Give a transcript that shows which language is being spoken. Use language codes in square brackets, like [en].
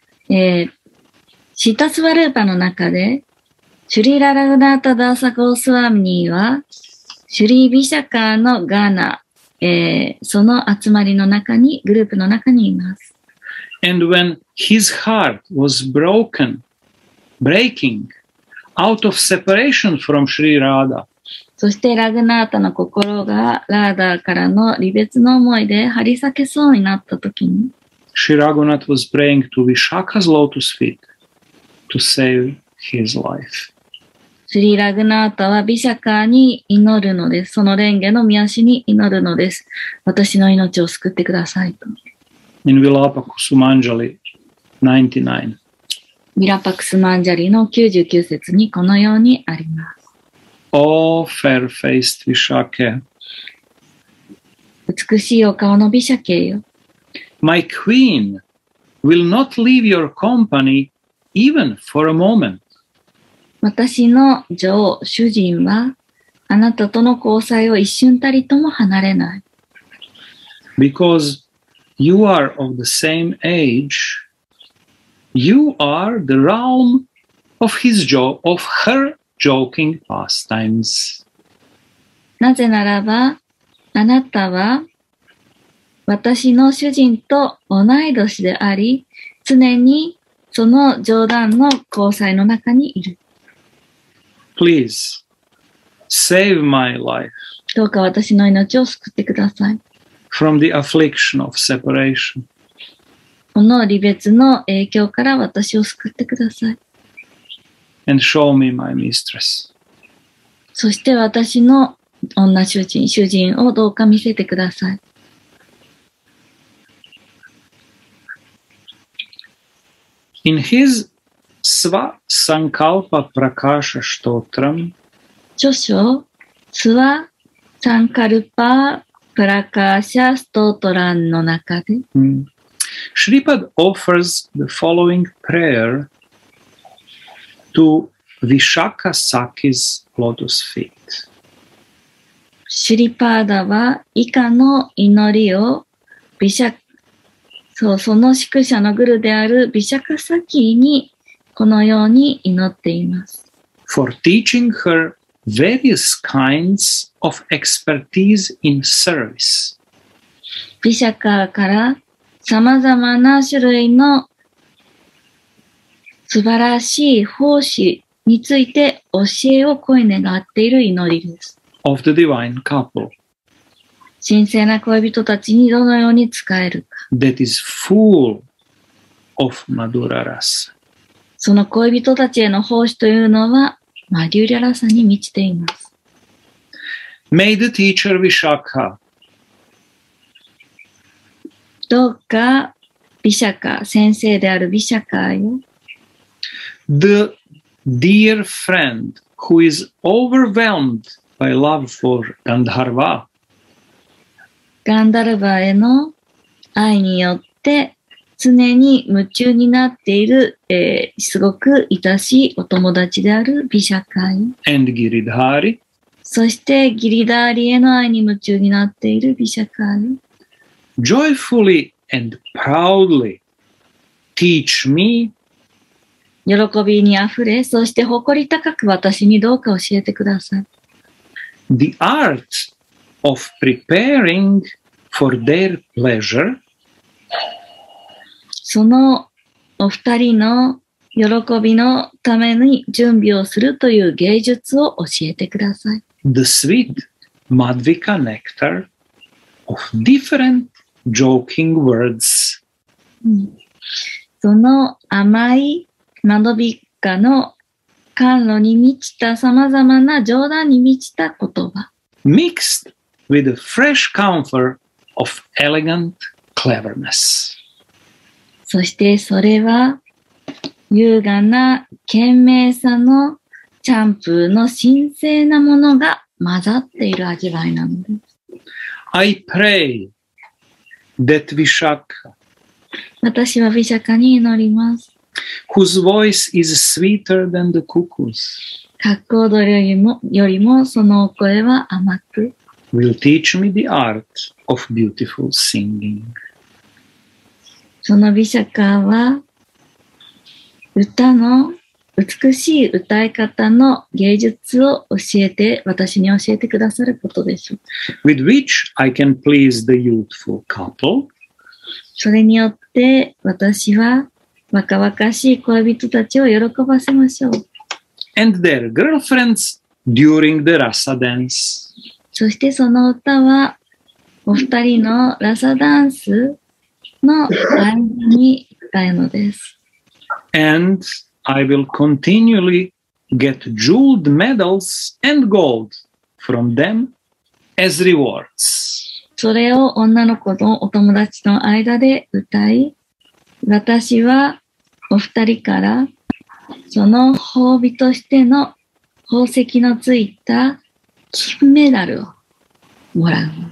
[ja] Siddha Svarupa の中で、シュリラ・ラグナータ・ダーサ・ゴースワミニーは、シュリー・ビシャカーのガーナ、その集まりの中に、グループの中にいます。 [en] And when his heart was broken, breaking out of separation from Sri Radha, [ja] そしてラグナータの心がラーダーからの離別の思いで張り裂けそうになったときに、 [en] シラグナータ was praying to Vishaka's lotus feet to save his life。 [ja] シリラグナータはビシャカーに祈るのです。その蓮華の御足に祈るのです。私の命を救ってくださいと。 [en] In Vilapa Kusumanjali 99. [ja] Vilapa Kusumanjali の99節にこのようにあります。 [en] O fair-faced Vishaka. [ja] 美しいお顔のビシャケよ。 [en] My queen will not leave your company even for a moment. [ja] 私の女王、主人はあなたとの交際を一瞬たりとも離れない。 [en] Because you are of the same age, you are the realm of his of her joking pastimes. [ja] なぜならば、あなたは私の主人と同い年であり、常にその冗談の交際の中にいる。 [en] Please save my life. [ja] どうか私の命を救ってください。 [en] From the affliction of separation. [ja] この離別の影響から私を救ってください。 [en] And show me my mistress. [ja] そして私の女主人、主人をどうか見せてください。 [en] In his Sva Sankalpa Prakasha Stotram [ja] 著書 Sva Sankalpa Prakasha Stotram の中で、 [en] Shripad offers the following prayer to Vishaka Saki's lotus feet. [ja] Shripada は以下の祈りを その宿舎のグルであるビシャカサキにこのように祈っています。 [en] For teaching her various kinds of expertise in service. [ja] ビシャカーから様々な種類の素晴らしい奉仕について教えを声願っている祈りです。 [en] Of the divine couple. [ja] 神聖な恋人たちにどのように使えるか。 [en] That is full of Madhuraras. [ja] その恋人たちへの奉仕というのはマデュリャラサに満ちています。 [en] May the teacher Vishaka. [ja] どうかビシャカ、先生であるビシャカよ。 [en] The dear friend who is overwhelmed by love for Gandharva. [ja] ガンダルバへの愛によって常に夢中になっている、すごく愛しいお友達であるビシャカイ。 [en] And Giridhari. [ja] そしてギリダーリへの愛に夢中になっているビシャカイ。 [en] Joyfully and proudly teach me. [ja] 喜びにあふれ、そして誇り高く私にどうか教えてください。 [en] The art of preparing for their pleasure. [ja] そのお二人の喜びのために準備をするという芸術を教えてください。 [en] The sweet Madhvika nectar of different joking words.、 [ja] その甘いマドビッカの甘露に満ちた様々な冗談に満ちた言葉。 [en] Mixed with a fresh comfort of elegant cleverness. [ja] そしてそれは優雅な賢明さのチャンプーの神聖なものが混ざっている味わいなのです。 [en] I pray that Vishaka [ja] 私はヴィシャカに祈ります。 [en] Whose voice is sweeter than the cuckoo's [ja] カッコ踊りよりもそのお声は甘く [en] Will teach me the art of beautiful singing. [ja] そのビシャカーは歌の美しい歌い方の芸術を教えて私に教えてくださることでしょう。 [en] With which I can please the youthful couple. [ja] それによって私は若々しい恋人たちを喜ばせましょう。 [en] And their girlfriends during the rasa dance. [ja] そしてその歌はお二人のラサダンスの間に歌うのです。 [en] And I will continually get jeweled medals and gold from them as rewards. [ja] それを女の子とお友達の間で歌い、私はお二人からその褒美としての宝石のついた金メダルをもらう。